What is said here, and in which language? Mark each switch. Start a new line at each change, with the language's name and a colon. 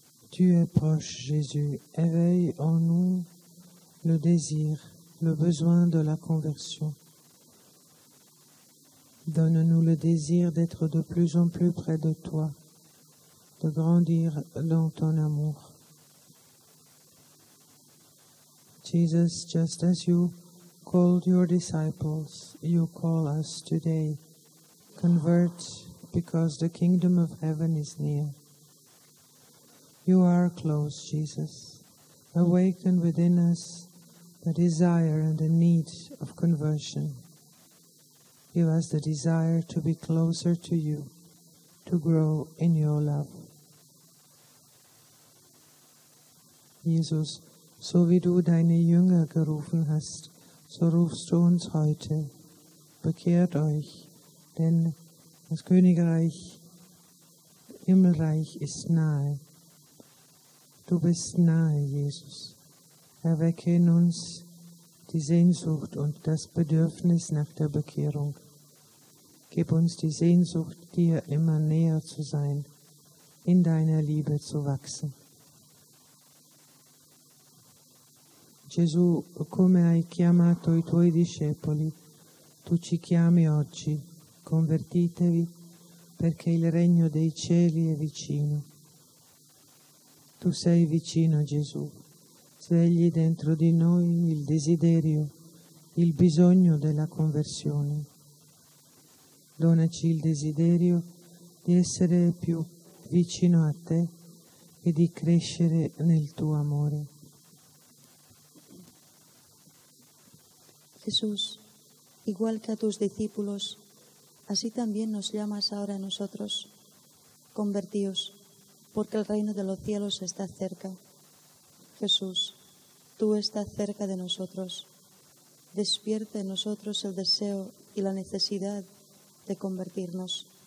French: Tu es proche, Jésus. Éveille en nous le désir, le besoin de la conversion. Donne-nous le désir d'être de plus en plus près de toi, de grandir dans ton amour.
English: Jesus, just as you called your disciples, you call us today. Convert, because the kingdom of heaven is near. You are close, Jesus. Awaken within us the desire and the need of conversion. Give us the desire to be closer to you, to grow in your love.
German: Jesus, so wie du deine Jünger gerufen hast, so rufst du uns heute. Bekehrt euch, denn das Königreich, Himmelreich ist nahe. Du bist nahe, Jesus. Erwecke in uns die Sehnsucht und das Bedürfnis nach der Bekehrung. Gib uns die Sehnsucht, dir immer näher zu sein, in deiner Liebe zu wachsen.
Italian: Gesù, come hai chiamato i tuoi discepoli, tu ci chiami oggi, convertitevi, perché il regno dei cieli è vicino. Tu sei vicino, Gesù, svegli dentro di noi il desiderio, il bisogno della conversione. Donaci il desiderio di essere più vicino a te e di crescere nel tuo amore.
Spanish: Jesús, igual que a tus discípulos, así también nos llamas ahora a nosotros. Convertíos, porque el reino de los cielos está cerca. Jesús, tú estás cerca de nosotros. Despierta en nosotros el deseo y la necesidad de convertirnos.